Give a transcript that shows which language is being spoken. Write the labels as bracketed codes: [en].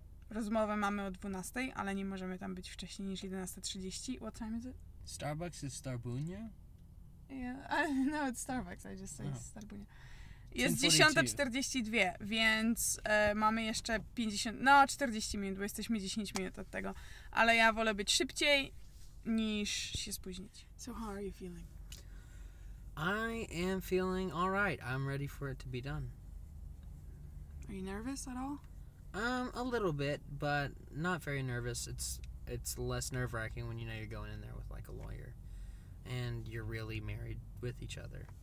[pl] Rozmowę mamy o 12, ale nie możemy tam być wcześniej niż 11:30. [en] What time is it? Starbucks is Starbunia? Yeah, no, it's Starbucks, I just say it's Starbunia. [pl] Jest 10:42, więc mamy jeszcze 40 minut, bo jesteśmy 10 minut od tego. Ale ja wolę być szybciej niż się spóźnić. [en] So how are you feeling? I am feeling all right. I'm ready for it to be done. Are you nervous at all? A little bit, but not very nervous. It's less nerve-wracking when you know you're going in there with, like, a lawyer. And you're really married with each other.